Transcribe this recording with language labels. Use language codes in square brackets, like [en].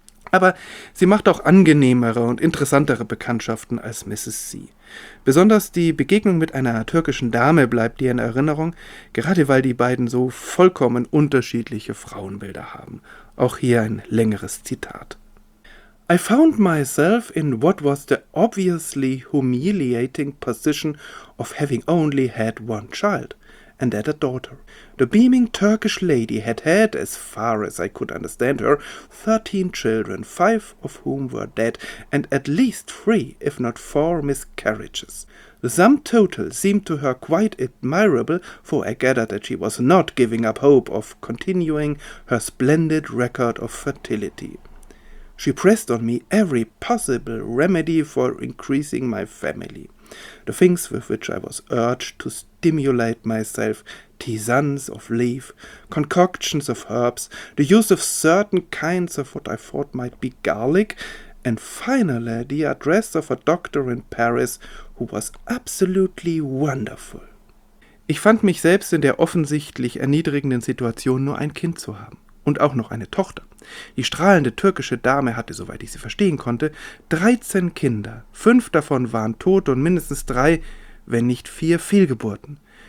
[de] Aber sie macht auch angenehmere und interessantere Bekanntschaften als Mrs. C. Besonders die Begegnung mit einer türkischen Dame bleibt ihr in Erinnerung, gerade weil die beiden so vollkommen unterschiedliche Frauenbilder haben. Auch hier ein längeres Zitat. [en] I found myself in what was the obviously humiliating position of having only had one child, and that a daughter. The beaming Turkish lady had had, as far as I could understand her, 13 children, 5 of whom were dead, and at least 3, if not 4, miscarriages. The sum total seemed to her quite admirable, for I gathered that she was not giving up hope of continuing her splendid record of fertility. She pressed on me every possible remedy for increasing my family. The things with which I was urged to stimulate myself, tisanes of leaf, concoctions of herbs, the use of certain kinds of what I thought might be garlic, and finally the address of a doctor in Paris who was absolutely wonderful. [de] Ich fand mich selbst in der offensichtlich erniedrigenden Situation, nur ein Kind zu haben. Und auch noch eine Tochter. Die strahlende türkische Dame hatte, soweit ich sie verstehen konnte, 13 Kinder. 5 davon waren tot und mindestens 3, wenn nicht 4, Fehlgeburten.